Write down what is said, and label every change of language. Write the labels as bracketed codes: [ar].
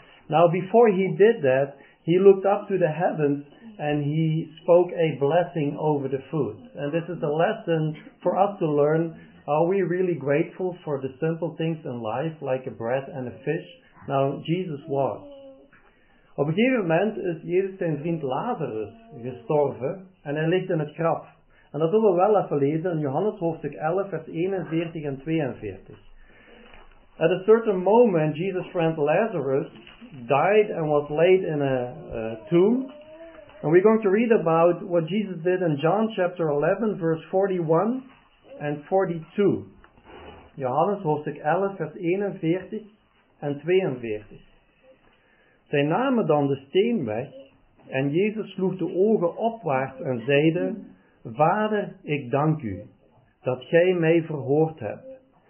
[en] Now before he did that, he looked up to the heavens and he spoke a blessing over the food. And this is a lesson for us to learn. Are we really grateful for the simple things in life like a bread and a fish? Now Jesus was. [nl] Op een gegeven moment is Jezus zijn vriend Lazarus gestorven en hij ligt in het graf. En dat zullen we wel even lezen in Johannes hoofdstuk 11, vers 41 en 42. [en] At a certain moment, Jesus' friend Lazarus died and was laid in a tomb. And we're going to read about what Jesus did in John chapter 11, verse 41 and 42. [nl] Johannes hoofdstuk 11, vers 41 en 42. Zij namen dan de steen weg en Jezus sloeg de ogen opwaarts en zeide: Vader, ik dank u dat gij mij verhoord hebt.